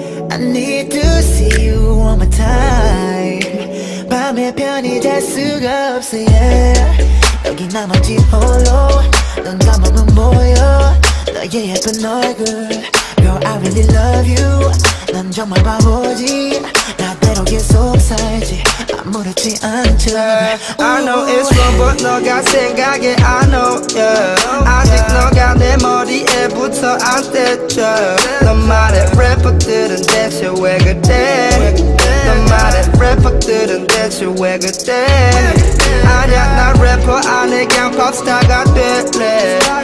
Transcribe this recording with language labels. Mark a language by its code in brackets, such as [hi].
[en] I need to see you one more time. [ko] 밤에 편히 잘 수가 없어, yeah. 여기 나머지 홀로 넌 가만은 보여. 너의 예쁜 얼굴, [en] girl, I really love you. [ko] 난 정말 바보지. 나대로 계속 살지. 아무렇지 않은 척. [en] I know it's wrong, but [ko] 너가 생각해, [en] I know, yeah. [ko] 아직 너가 내 머리에 붙어 안 됐죠. 너 말해, 래퍼들은 대체 왜 그래? 너 말해, 래퍼들은 대체 왜 그래? 아니야, 나 래퍼 안 해, 그냥 팝스타가 될래.